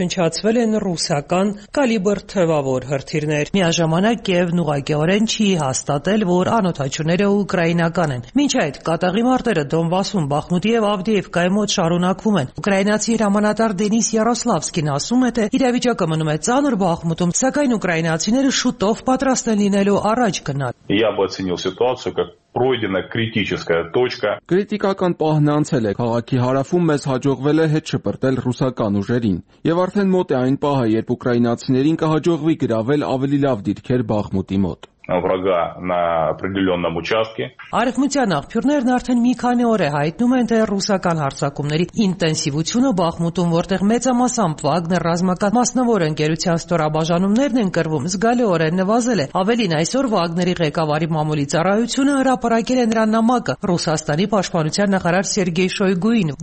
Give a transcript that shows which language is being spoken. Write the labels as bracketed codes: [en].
[hy] ինչացվել են ռուսական կալիբր թևավոր հրթիռներ։ Միաժամանակ եւ նուղակիորեն չի հաստատել, որ անօթաչուները ուկրաինական են։ Մինչ այդ կատաղի մարտերը Դոնբասում, Բախմուտի եւ Ավդիևկայի մոտ շարունակվում են։ Ուկրաինացի հրամանատար Դենիս Յարոսլավսկին ասում է, թե իրավիճակը մնում է ծանր Բախմուտում, սակայն ուկրաինացիները շուտով պատրաստ են լինելու առաջ գնալ։ [ru] Я бы оценил ситуацию как пройдена критическая точка. [hy] Կրիտիկական պահն անցել է, քաղաքի հարավում մեզ հաջողվել է հետ շփրտել ռուսական ուժերին, եւ արդեն մոտ է այն պահը, երբ ուկրաինացիներին կհաջողվի գրավել ավելի լավ դիրքեր Բախմուտի մոտ։ [ru] Врага на определённом участке. [hy] Արևմտյան աղբյուրներն արդեն մի քանի օր է հայտնում են, թե ռուսական հարձակումների ինտենսիվությունը Բախմուտում, որտեղ մեծամասամբ Վագներ ռազմական մասնավոր ընկերության ստորաբաժանումներն են կրվում, զգալիորեն նվազել է։ Ավելին, այսօր Վագների ղեկավարի մամուլի ծառայությունը հրապարակել է նրա նամակը Ռուսաստանի պաշտպանության նախարար Սերգեյ Շոյգուին,